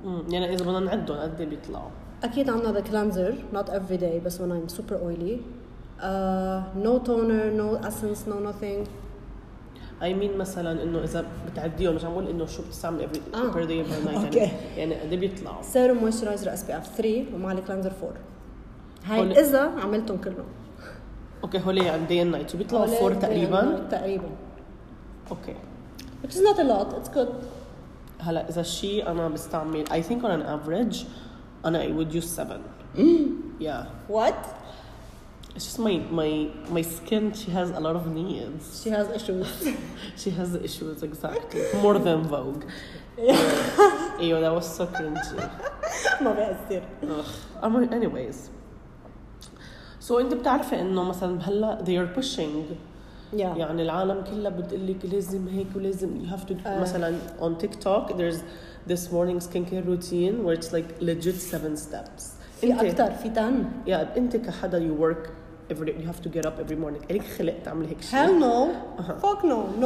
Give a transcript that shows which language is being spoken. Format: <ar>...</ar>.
<ar>يعني إذا بدنا نعدهم قد إيه بيطلعوا؟ أكيد عنا</ar> <en>the cleanser, not every day,</en> <ar>بس</ar> <en>when I'm super oily. No toner, no essence, no nothing. I mean</en> <ar>مثلا إنه إذا بتعديهم مش عم بقول إنه شو بتستعمل</ar> <en>every day per day per night. Okay.</en> <ar>يعني قد إيه بيطلعوا؟ سيروم مويسترايزر SPF 3 ومع الكلانزر 4. هاي إذا عملتهم كلهم. أوكي هولي عن</ar> <en>day and night</en> <ar>وبيطلعوا 4 تقريبا؟ تقريبا. أوكي.</ar> <en>Which is not a lot. It's good.</en> <ar>هلا إذا شيء أنا بستعمل,</ar> <en>I think on an average,</en> <ar>أنا</ar> <en>I would use 7. Yeah. What? It's just my skin. She has a lot of needs. She has issues. She has issues, exactly. More than Vogue. Yeah. أيوة, that was so cringy.</en> <ar>ما بيأثر.</ar> <en>Ugh. Anyways.</en> <ar>So أنت بتعرفي إنه مثلاً هلا</ar> <en>they are pushing. Yeah.</en> <ar>يعني العالم كله بتقلك لازم هيك ولازم</ar> <en>you have to do. مثلا on TikTok there's this morning skincare routine where it's like legit 7 steps.</en> <ar>في أكتر في 10.</ar> <en>Yeah,</en> <ar>أنت كحدا</ar> <en>you work every day, you have to get up every morning.</en> <ar>إليك خلق تعمل هيك شيء؟</ar> <en>Hell no. Uh-huh. Fuck no. No.</en>